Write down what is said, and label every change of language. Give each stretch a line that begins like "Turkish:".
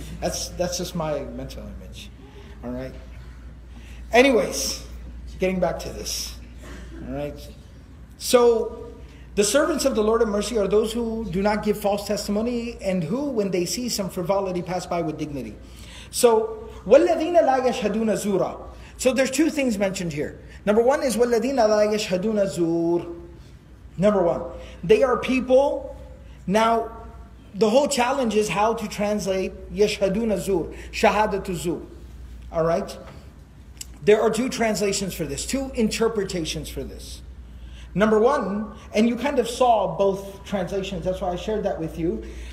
English: That's just my mental image. All right? Anyways, getting back to this. Alright. So the servants of the Lord of Mercy are those who do not give false testimony, and who, when they see some frivolity, pass by with dignity.
Arabic: So وَالَّذِينَ لَا يَشْهَدُونَ زُورًا.
English: So there's two things mentioned here. Number one is
Arabic: وَالَّذِينَ لَا يَشْهَدُونَ زُورًا.
English: Number one, they are people. Now the whole challenge is how to translate
Arabic: يَشْهَدُونَ زُورًا, شَهَادَةُ زُورًا.
English: Alright. There are two translations for this, two interpretations for this. Number one, and you kind of saw both translations, that's why I shared that with you.